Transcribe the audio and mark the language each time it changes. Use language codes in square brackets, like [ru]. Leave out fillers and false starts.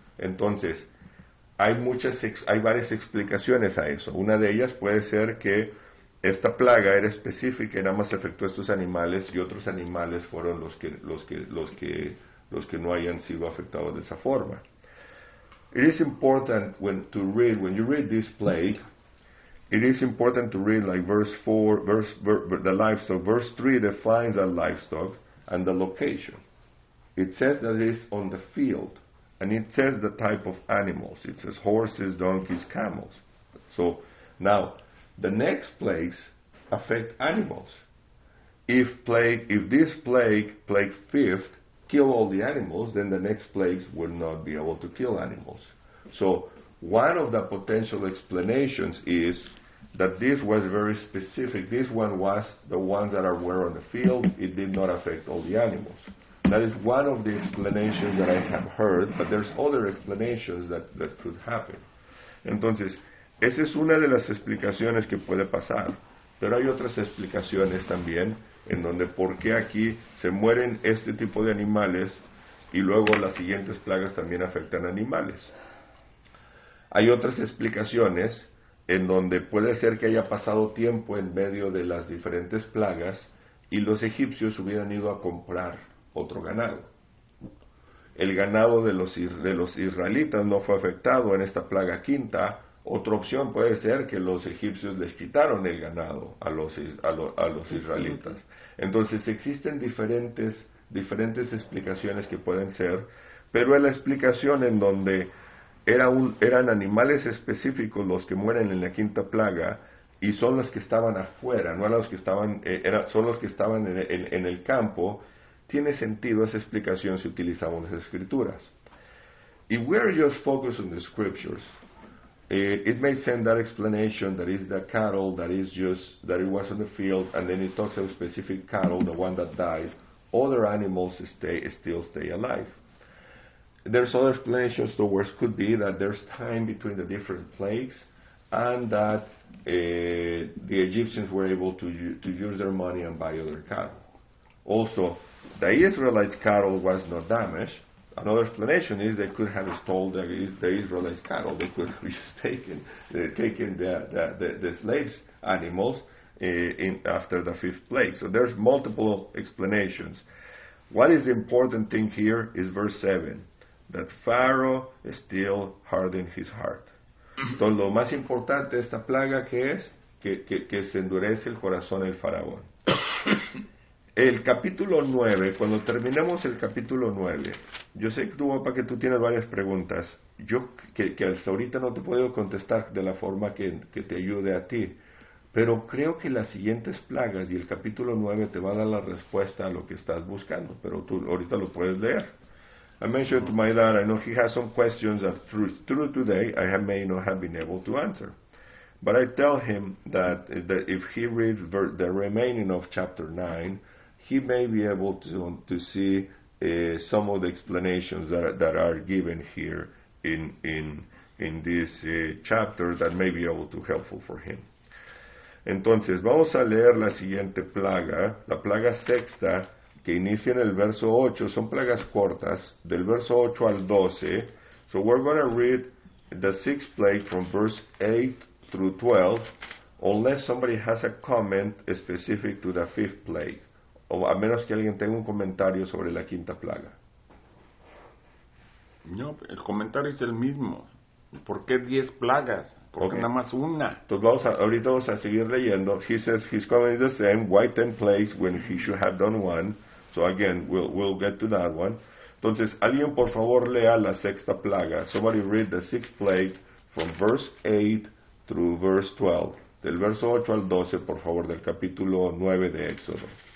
[es] Entonces, hay varias explicaciones a eso. Una de ellas puede ser que esta plaga era específica y nada más afectó a estos animales y otros animales fueron los que no hayan sido afectados de esa forma. [en] It is important when you read this plague, it is important to read like verse 4, the livestock. Verse 3 defines the livestock and the location. It says that it's on the field. And it says the type of animals. It says horses, donkeys, camels. So now, the next plagues affect animals. If this plague, fifth, kill all the animals, then the next plagues will not be able to kill animals. So one of the potential explanations is that this was very specific. This one was the ones that were on the field. It did not affect all the animals. That is one of the explanations that I have heard, but there's other explanations that could happen. [es] Entonces, esa es una de las explicaciones que puede pasar. Pero hay otras explicaciones también, en donde por qué aquí se mueren este tipo de animales y luego las siguientes plagas también afectan animales. Hay otras explicaciones en donde puede ser que haya pasado tiempo en medio de las diferentes plagas y los egipcios hubieran ido a comprar otro ganado. El ganado de los israelitas no fue afectado en esta plaga quinta. Otra opción puede ser que los egipcios les quitaron el ganado a los israelitas. Entonces existen diferentes explicaciones que pueden ser, pero en la explicación en donde eran animales específicos los que mueren en la quinta plaga y son los que estaban afuera, no eran los que estaban son los que estaban en el campo. Tiene sentido esa explicación si utilizamos las escrituras. [en] If we are just focused on the scriptures, it makes sense that explanation that is the cattle that it was on the field and then it talks about specific cattle, the one that died. Other animals still stay alive. There's other explanations, the worst could be that there's time between the different plagues and that the Egyptians were able to use their money and buy other cattle. Also, the Israelites' cattle was not damaged. Another explanation is they could have stolen the Israelites' cattle. They could have just taken the slaves' animals in after the fifth plague. So there's multiple explanations. What is the important thing here is verse 7, that Pharaoh still hardened his heart. [es] Entonces, lo más importante de esta plaga, ¿qué es? Que se endurece el corazón del faraón. El capítulo 9, cuando terminemos el capítulo 9, yo sé que tú, papá, que tú tienes varias preguntas, yo que hasta ahorita no te puedo contestar de la forma que te ayude a ti, pero creo que las siguientes plagas y el capítulo 9 te va a dar la respuesta a lo que estás buscando, pero tú ahorita lo puedes leer. [en] I mentioned to my dad, I know he has some questions that through today I may not have been able to answer. But I tell him that if he reads the remaining of chapter 9, he may be able to see some of the explanations that are given here in this chapter that may be able to helpful for him. [es] Entonces, vamos a leer la siguiente plaga, la plaga sexta, que inicia en el verso 8. Son plagas cortas, del verso 8 al 12. [en] So we're going to read the sixth plague from verse 8 through 12, unless somebody has a comment specific to the fifth plague. [es] O a menos que alguien tenga un comentario sobre la quinta plaga. No, el comentario es el mismo. ¿Por qué 10 plagas? Porque nada más una. Entonces ahorita vamos a seguir leyendo. [en] He says his comment is the same. Why 10 plagues when he should have done one? So again, we'll get to that one. [es] Entonces, alguien por favor lea la sexta plaga. [en] Somebody read the sixth plague from verse 8 through verse 12. [es] Del verso 8 al 12, por favor, del capítulo 9 de Éxodo.